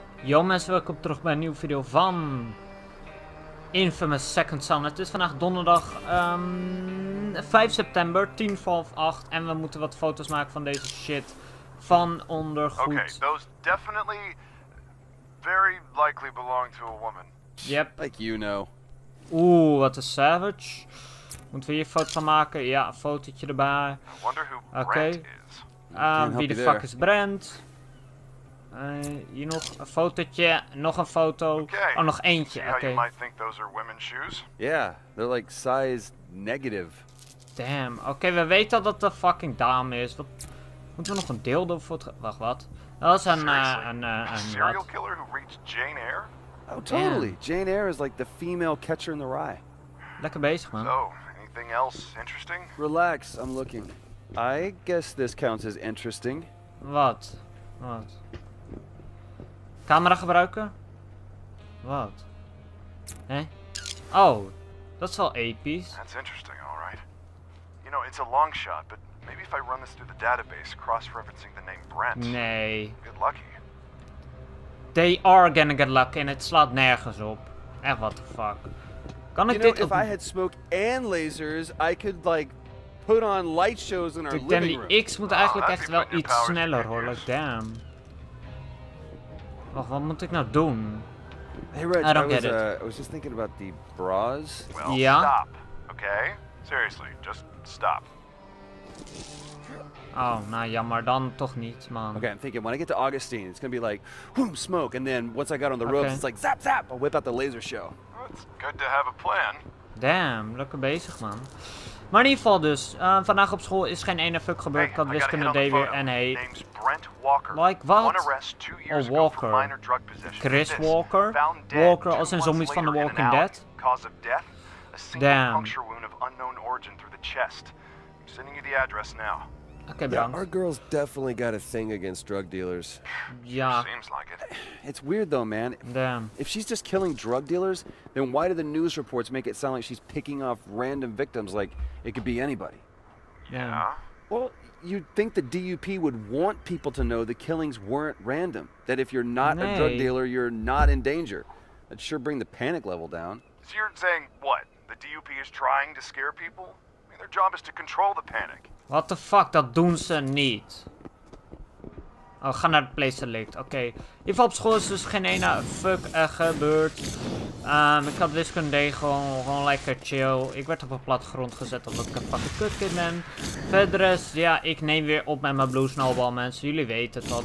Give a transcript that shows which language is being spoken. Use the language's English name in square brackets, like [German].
[Dutch] Yo mensen, welkom terug bij een nieuwe video van Infamous Second Son. Het is vandaag donderdag 5 september, 10 voor half 8. En we moeten wat foto's maken van deze shit. Van ondergoed. [English] Okay, those definitely very likely belong to a woman. Yep. Like you know. [Dutch] Oeh, wat een savage. Moeten we hier een foto van maken? Ja, een fotootje erbij. [English] I wonder who Brent okay. is. [Dutch] Wie de fuck is Brent? Hier nog een fotootje, nog een foto. [English] Okay. [Dutch] Oh, nog eentje. [English] See how okay. you might think those are women's shoes? Yeah, they're like size negative. Damn. [Dutch] Okay, we weten dat het een fucking dame is. Wat? Moeten we nog een dildo voor het... Wacht, wat? Dat is een serial wat? [English] Killer who reached Jane Eyre? Oh, totally. Damn. Jane Eyre is like the female catcher in the rye. [Dutch] Lekker bezig, man. [English] So, anything else interesting? Relax, I'm looking. I guess this counts as interesting. [Dutch] Wat? Wat? Camera gebruiken? Wat? Hé? Oh, dat is wel episch. [English] That's interesting, alright. You know, it's a long shot, but maybe if I run this through the database, cross-referencing the name Brent. [Dutch] Nee. [English] Get lucky. They are gonna get lucky, [Dutch] en het slaat nergens op. [English] Eh, what the fuck? [Dutch] Kan ik [English] you [Dutch] dit [English] know, if I had smoke and lasers, I could, like, put on light shows in our Dude, living [Dutch] die [English] room. [Dutch] Die X moet eigenlijk echt wel iets sneller, hoor. [English] Like, damn. [Dutch] Wacht, wat moet ik nou doen? [English] Hey Reg, I was just thinking about the bras. Well, [Dutch] ja? [English] Stop, okay? Seriously, just stop. [Dutch] Oh, nou jammer, dan toch niet, man. [English] Okay, I'm thinking, when I get to Augustine, it's gonna be like, whoom, smoke, and then once I got on the ropes, okay. It's like, zap, zap, I'll whip out the laser show. Well, it's good to have a plan. [Dutch] Damn, lekker bezig, man. Maar in ieder geval dus, vandaag op school is geen ene fuck gebeurd. [English] Hey, [Dutch] ik had wiskunde D weer en hey. [English] Name's Brent Walker. [Dutch] Like, wat? Oh, [English] Walker. Minor drug Chris Walker? [Dutch] Walker als een zombies van The Walking Dead? [English] Cause of death, a single puncture wound of unknown origin through the chest. I'm sending you the address now. Okay, bro. Yeah, our girls definitely got a thing against drug dealers. Yeah. Seems like it. It's weird though, man. Damn. If she's just killing drug dealers, then why do the news reports make it sound like she's picking off random victims like it could be anybody? Yeah. Well, you'd think the DUP would want people to know the killings weren't random. That if you're not [Dutch] nee. [English] A drug dealer, you're not in danger. That'd sure bring the panic level down. So you're saying what? The DUP is trying to scare people? I mean, their job is to control the panic. What the fuck, [Dutch] dat doen ze niet. Oh, we gaan naar de place select. Oké. Okay. In ieder geval op school is dus geen ene fuck gebeurd. Ik had wiskunde gewoon lekker chill. Ik werd op een platgrond gezet omdat ik een fucking kutkid ben. Verder is, ja, ik neem weer op met mijn Blue Snowball, mensen. Jullie weten het al.